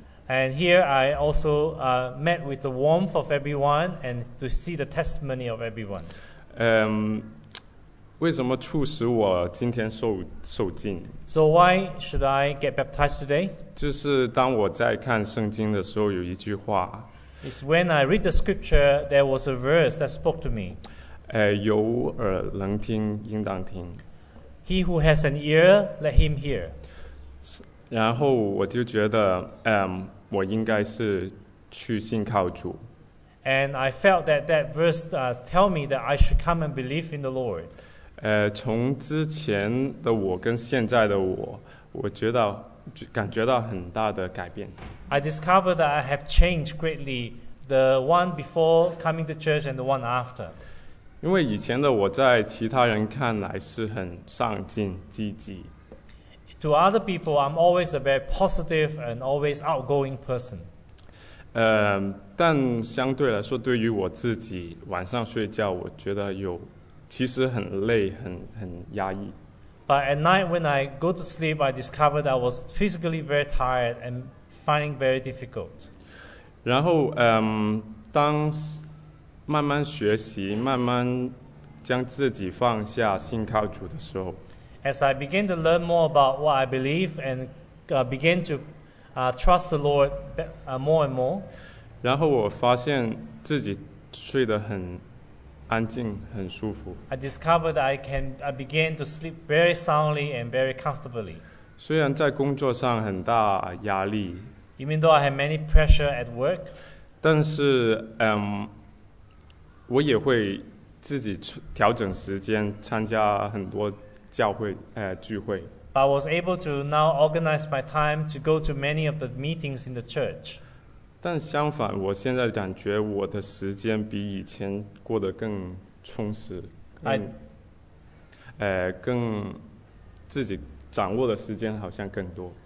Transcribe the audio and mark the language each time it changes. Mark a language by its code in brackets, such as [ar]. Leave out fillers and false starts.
[en] And here I also met with the warmth of everyone and to see the testimony of everyone. [zh] 为什么促使我今天受浸 [en] ？So why should I get baptized today？ [zh] 就是当我在看圣经的时候，有一句话。 [en] It's when I read the scripture, there was a verse that spoke to me. [zh] 有耳能听，应当听。 [en] He who has an ear, let him hear. [zh] 然后我就觉得，我应该是去信靠主。 [en] And I felt that that verse tell me that I should come and believe in the Lord. [zh] 从之前的我跟现在的我，我觉得感觉到很大的改变。 [en] I discovered that I have changed greatly, the one before coming to church and the one after. [zh] 因为以前的我在其他人看来是很上进、积极。 [en] To other people, I'm always a very positive and always outgoing person. [zh] 但相对来说，对于我自己，晚上睡觉，我觉得有。其实很累，很压抑。 [en] But at night when I go to sleep, I discovered I was physically very tired and finding very difficult. [zh] 然后，当慢慢学习，慢慢将自己放下，信靠主的时候 [en] ，As I begin to learn more about what I believe and begin to trust the Lord more and more. [zh] 然后我发现自己睡得很。安静很舒服。 [en] I discovered that I began to sleep very soundly and very comfortably. [zh] 虽然在工作上很大压力。 [en] Even though I have many pressure at work. [zh] 但是我也会自己调整时间参加很多教会聚会。 [en] But I was able to now organize my time to go to many of the meetings in the church. [zh] 但相反，我现在感觉我的时间比以前过得更充实，更自己掌握的时间好像更多。